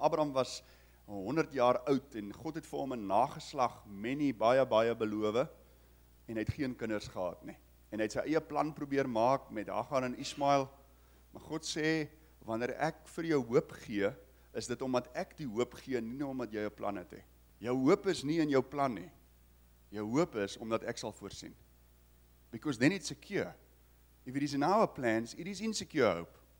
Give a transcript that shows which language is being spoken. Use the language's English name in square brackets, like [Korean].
[Afrikaans] Abraham was 100 jaar oud, en God het vir hom 'n nageslag, many, baie, baie beloof, en hy het geen kinders gehad nie. En hy het sy eie plan probeer maak met Hagar en Ismael. Maar God sê, wanneer ek vir jou hoop gee, is dit omdat ek die hoop gee, nie omdat jy 'n plan het. Jou hoop is nie in jou plan nie. Jou hoop is omdat ek sal voorsien. [English] Because then it's secure. If it is in our plans, it is insecure hope.